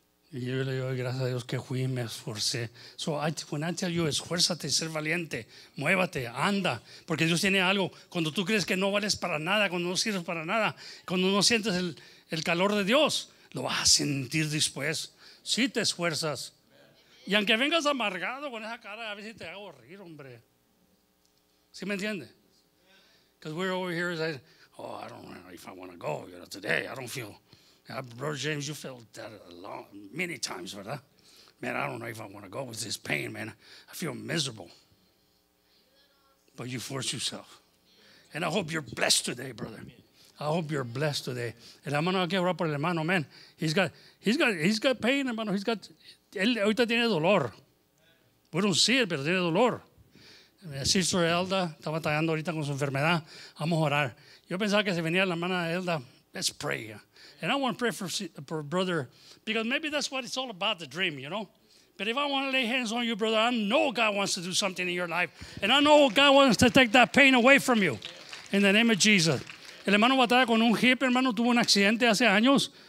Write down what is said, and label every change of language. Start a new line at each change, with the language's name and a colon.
Spanish: Y yo le digo, gracias a Dios que fui y me esforcé. So when I tell you, esfuérzate, ser valiente, muévate, anda. Porque Dios tiene algo. Cuando tú crees que no vales para nada, cuando no sirves para nada, cuando no sientes el calor de Dios, lo vas a sentir después. Si te esfuerzas. Y aunque vengas amargado con esa cara, a veces te hago reír, hombre. ¿Sí me entiendes?
English: Because we're over here saying, oh, I don't know if I want to go, you know, today, I don't feel. Brother James, you felt that a lot, many times, ¿verdad? Man, I don't know if I want to go with this pain, man. I feel miserable. But you force yourself. And I hope you're blessed today, brother. I hope you're blessed today.
Spanish: El hermano aquí ahora por el hermano, man. He's got pain, hermano. He's got, él ahorita tiene dolor. We don't see it, pero tiene dolor. Sister Elda está batallando ahorita con su enfermedad. Vamos a orar. Yo pensaba que se venía la hermana Elda.
English: Let's pray. And I want to pray for brother, because maybe that's what it's all about, the dream, you know? But if I want to lay hands on you, brother, I know God wants to do something in your life. And I know God wants to take that pain away from you. In the name of Jesus.
Spanish: El hermano batalla con un hip, hermano, tuvo un accidente hace años.